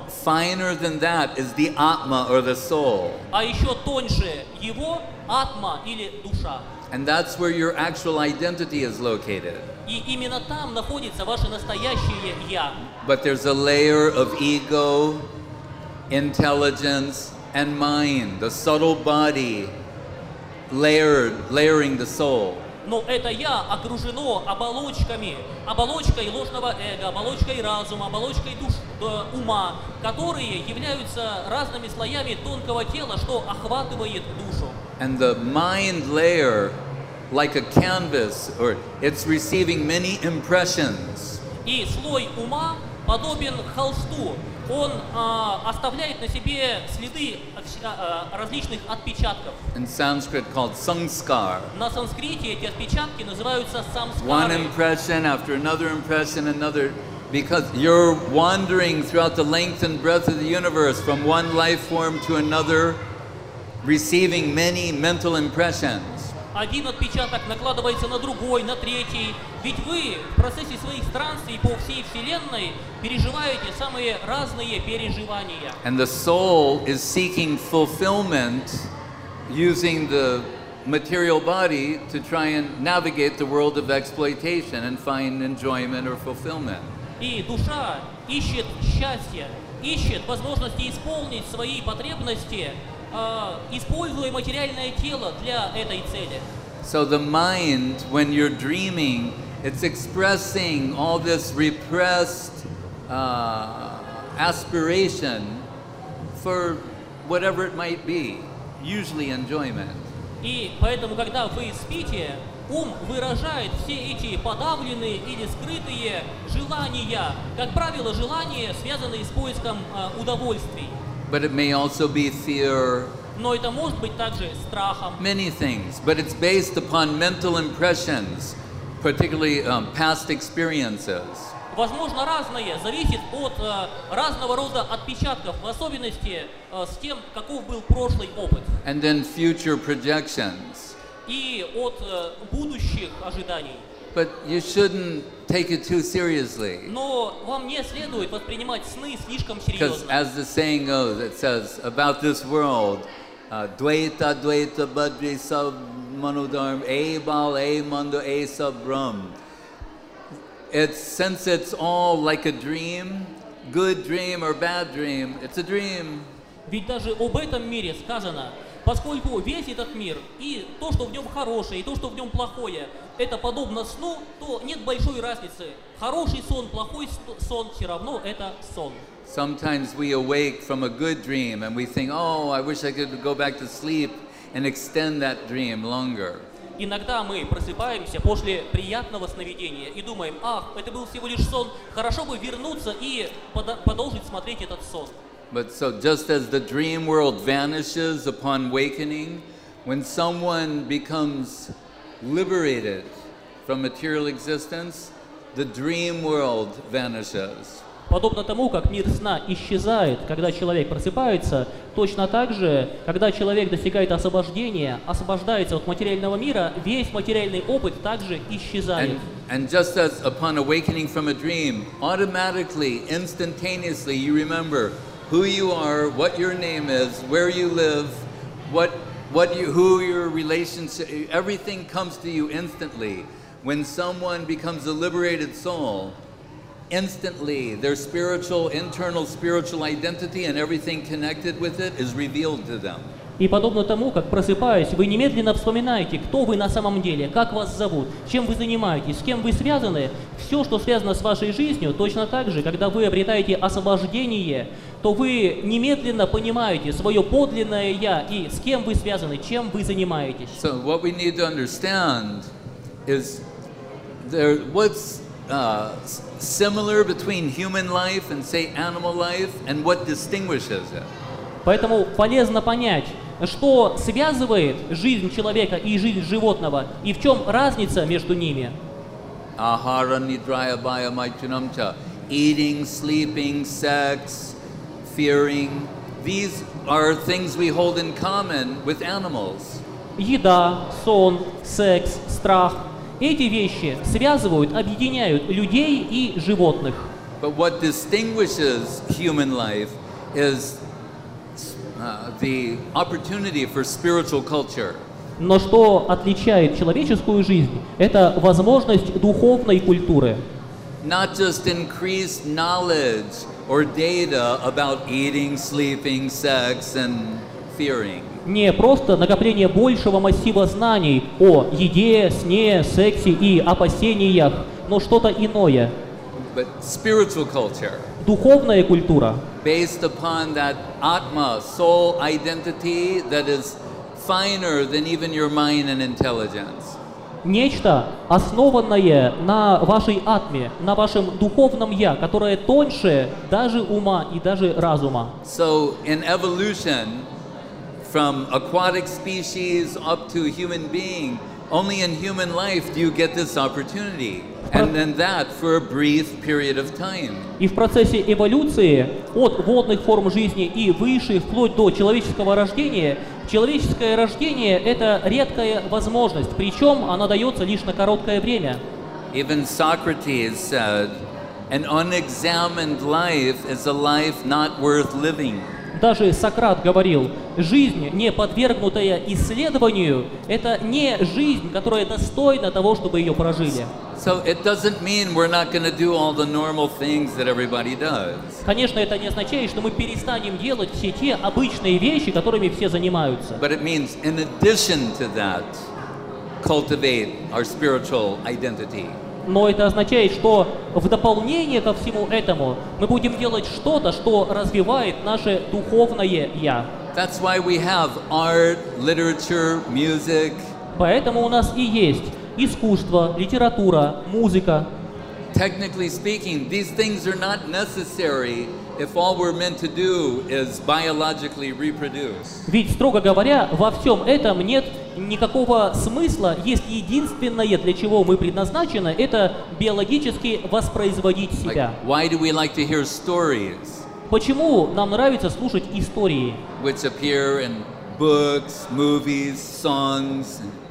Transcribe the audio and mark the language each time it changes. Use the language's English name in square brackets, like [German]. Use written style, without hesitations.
[English] But finer than that is the atma or the soul. [Russian] А еще тоньше его атма или душа. [English] And that's where your actual identity is located. [Russian] И именно там находится ваше настоящее я. [English] But there's a layer of ego, intelligence, and mind, the subtle body, layering the soul. [Russian] Но это я окружено оболочками, оболочкой ложного эго, оболочкой разума, оболочкой ума, которые являются разными слоями тонкого тела, что охватывает душу. [English] And the mind layer, like a canvas, or it's receiving many impressions. [Russian] И слой ума подобен холсту. Он оставляет на себе следы различных отпечатков. [English] In Sanskrit called samskar. [Russian] На санскрите эти отпечатки называются самскары. [English] One impression after another impression, another, because you're wandering throughout the length and breadth of the universe from one life form to another, receiving many mental impressions. [Russian] Один отпечаток накладывается на другой, на третий. Ведь вы в процессе своих странствий по всей Вселенной переживаете самые разные переживания. [English] And the soul is seeking fulfillment using the material body to try and navigate the world of exploitation and find enjoyment or fulfillment. [Russian] И душа ищет счастье, ищет возможности исполнить свои потребности, используя материальное тело для этой цели. [English] So the mind, when you're dreaming, it's expressing all this repressed aspiration for whatever it might be, usually enjoyment. [Russian] И поэтому, когда вы спите, ум выражает все эти подавленные или скрытые желания, как правило, желания, связанные с поиском удовольствий. [English] But it may also be fear. [Russian] Но это может быть также страхом. [English] Many things, but it's based upon mental impressions, particularly past experiences. [Russian] Возможно, разное зависит от разного рода отпечатков, в особенности с тем, каков был прошлый опыт. [English] And then future projections. [Russian] И от будущих ожиданий. [English] But you shouldn't take it too seriously. [Russian] Но вам не следует воспринимать сны слишком серьезно. [English] Because as the saying goes, it says about this world, [Bangla] dvaita dvaita bhadri sab manodharm, e bal e mando e sab brahm. [English] It's, since it's all like a dream, good dream or bad dream, it's a dream. [Russian] Ведь даже об этом мире сказано, поскольку весь этот мир и то, что в нем хорошее, и то, что в нем плохое, это подобно сну, то нет большой разницы. Хороший сон, плохой сон, все равно это сон. [English] Sometimes we awake from a good dream and we think, oh, I wish I could go back to sleep and extend that dream longer. [Russian] Иногда мы просыпаемся после приятного сновидения и думаем, ах, это был всего лишь сон, хорошо бы вернуться и продолжить смотреть этот сон. [English] But so just as the dream world vanishes upon awakening, when someone becomes liberated from material existence, the dream world vanishes. [Russian] Подобно тому, как мир сна исчезает, когда человек просыпается, точно так же, когда человек достигает освобождения, освобождается от материального мира, весь материальный опыт также исчезает. [English] And just as upon awakening from a dream, automatically, instantaneously, you remember who you are, what your name is, where you live, who your relationship, everything comes to you instantly. When someone becomes a liberated soul, instantly their spiritual, internal spiritual identity and everything connected with it is revealed to them. [Russian] И подобно тому, как просыпаясь, вы немедленно вспоминаете, кто вы на самом деле, как вас зовут, чем вы занимаетесь, с кем вы связаны. Все, что связано с вашей жизнью, точно так же, когда вы обретаете освобождение, то вы немедленно понимаете свое подлинное «я» и с кем вы связаны, чем вы занимаетесь. [English] So what we need to understand is there, what's similar between human life and, say, animal life, and what distinguishes it. [Russian] Поэтому полезно понять, что связывает жизнь человека и жизнь животного, и в чем разница между ними. [Sanskrit] Ahara, nidraya, baya, maitunam cha. [English] Eating, sleeping, sex, fearing. These are things we hold in common with animals. [Russian] Еда, сон, секс, страх. Эти вещи связывают, объединяют людей и животных. [English] But what distinguishes human life is the opportunity for spiritual culture. [Russian] Но что отличает человеческую жизнь, это возможность духовной культуры. [English] Not just increased knowledge or data about eating, sleeping, sex, and fearing. [Russian] Не просто накопление большего массива знаний о еде, сне, сексе и опасениях, но что-то иное. [English] But spiritual culture. [Russian] Духовная культура. [English] Based upon that Atma, soul identity that is finer than even your mind and intelligence. [Russian] Нечто, основанное на вашей Атме, на вашем духовном Я, которое тоньше даже ума и даже разума. [English] So in evolution, from aquatic species up to human being, only in human life do you get this opportunity. And then that for a brief period of time. [Russian] И в процессе эволюции от водных форм жизни и выше, вплоть до человеческого рождения, человеческое рождение — это редкая возможность, причем она дается лишь на короткое время. [English] Even Socrates said, an unexamined life is a life not worth living. [Russian] Даже Сократ говорил, жизнь, не подвергнутая исследованию, это не жизнь, которая достойна того, чтобы ее прожили. [English] So it doesn't mean we're not going to do all the normal things that everybody does. [Russian] Конечно, это не означает, что мы перестанем делать все те обычные вещи, которыми все занимаются. [English] But it means, in addition to that, cultivate our spiritual identity. [Russian] Но это означает, что в дополнение ко всему этому мы будем делать что-то, что развивает наше духовное «я». [English] That's why we have art, literature, music. [Russian] Поэтому у нас и есть искусство, литература, музыка. [English] Technically speaking, these things are not necessary if all we're meant to do is biologically reproduce. [Russian] Ведь, строго говоря, во всем этом нет никакого смысла, если единственное, для чего мы предназначены, это биологически воспроизводить себя. [English] Like, why do we like to hear stories? [Russian] Почему нам нравится слушать истории? [English] Which appear in books, movies, songs.